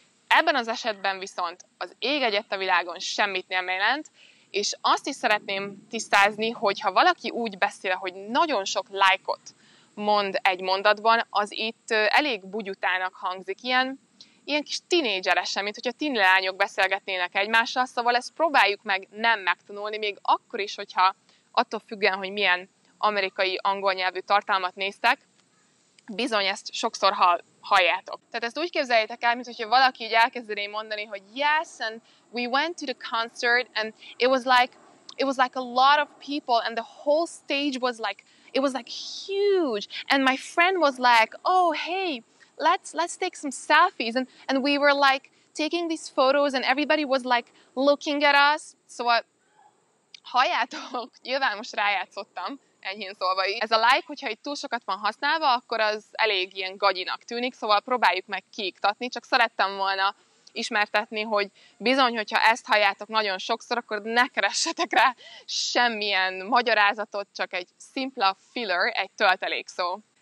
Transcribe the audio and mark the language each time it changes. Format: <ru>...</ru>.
<hu>Ebben az esetben viszont az ég egyet a világon semmit nem jelent, és azt is szeretném tisztázni, hogy ha valaki úgy beszél, hogy nagyon sok like-ot mond egy mondatban, az itt elég bugyutának hangzik, ilyen kis tinédzseresen, mint hogyha tini lányok beszélgetnének egymással, szóval ezt próbáljuk meg nem megtanulni, még akkor is, hogyha attól függően, hogy milyen amerikai angol nyelvű tartalmat néztek, bizony ezt sokszor hall halljátok. Tehát ezt úgy képzeljétek el, mintha valaki így elkezdené mondani, hogy</hu> <en>yes, and we went to the concert, and it was like a lot of people, and the whole stage was like, it was like huge, and my friend was like, oh, hey, let's take some selfies, and we were like taking these photos, and everybody was like looking at us.</en> <hu>Szóval, halljátok, nyilván most rájátszottam, enyhén szólva így. Ez a like, hogyha itt túl sokat van használva, akkor az elég ilyen gagyinak tűnik, szóval próbáljuk meg kiiktatni, csak szerettem volna ismertetni, hogy bizony, hogyha ezt halljátok nagyon sokszor, akkor ne keressetek rá semmilyen magyarázatot, csak egy szimpla filler, egy töltelékszó.</hu>